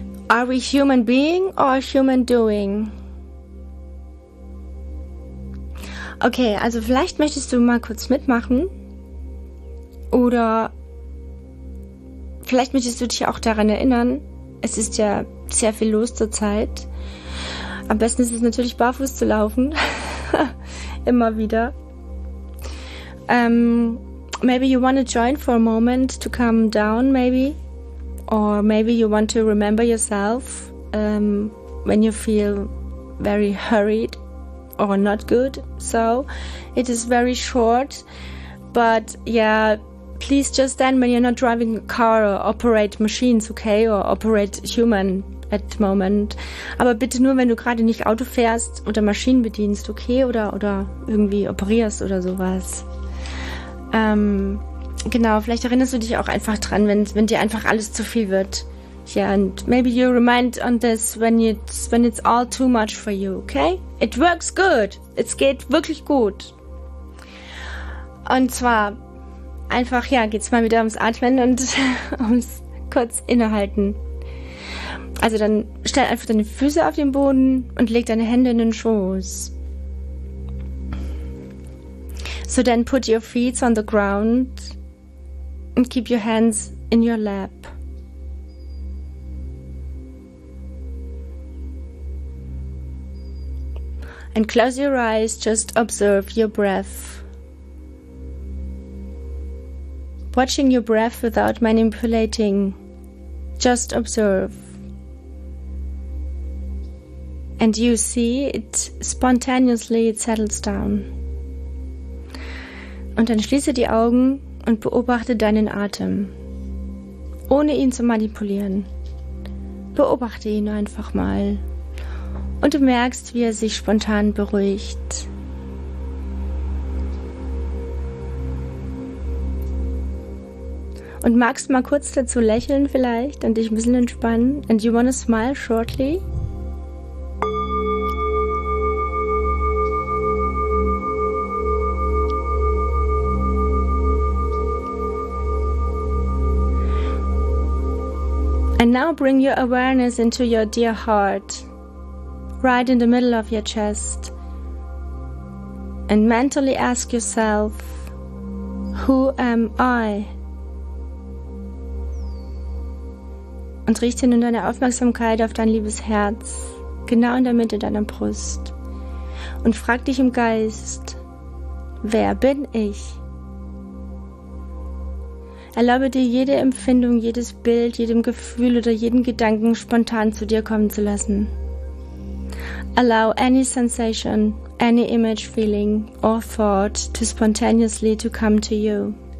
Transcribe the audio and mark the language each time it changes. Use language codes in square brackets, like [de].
[en] Are we human being or human doing? [de] Okay, also vielleicht möchtest du mal kurz mitmachen. Oder vielleicht möchtest du dich auch daran erinnern. Es ist ja sehr viel los zur Zeit. Am besten ist es natürlich barfuß zu laufen. Immer wieder. [en] Maybe you want to join for a moment to calm down, maybe. Or maybe you want to remember yourself when you feel very hurried or not good. So it is very short. But yeah, please just then when you're not driving a car or operate machines, okay, or operate human at the moment. [de] Aber bitte nur, wenn du gerade nicht Auto fährst oder Maschinen bedienst, okay, oder irgendwie operierst oder sowas. Genau, vielleicht erinnerst du dich auch einfach dran, wenn dir einfach alles zu viel wird. [en] Yeah, and maybe you remind on this when it's all too much for you, okay? It works good. [de] Es geht wirklich gut. Und zwar einfach, ja, geht's mal wieder ums Atmen und ums kurz innehalten. Also dann stell einfach deine Füße auf den Boden und leg deine Hände in den Schoß. [en] So then put your feet on the ground and keep your hands in your lap. And close your eyes, just observe your breath. Watching your breath without manipulating, just observe. And you see it spontaneously, it settles down. [de] Und dann schließe die Augen und beobachte deinen Atem, ohne ihn zu manipulieren. Beobachte ihn einfach mal. Und du merkst, wie er sich spontan beruhigt. Und magst mal kurz dazu lächeln vielleicht und dich ein bisschen entspannen? [en] And you wanna smile shortly? And now bring your awareness into your dear heart, right in the middle of your chest, and mentally ask yourself, who am I? [de] Und richte nun deine Aufmerksamkeit auf dein liebes Herz, genau in der Mitte deiner Brust, und frag dich im Geist, wer bin ich? Erlaube dir, jede Empfindung, jedes Bild, jedem Gefühl oder jeden Gedanken spontan zu dir kommen zu lassen. [en] Allow any sensation, any image, feeling or thought to spontaneously to come to you.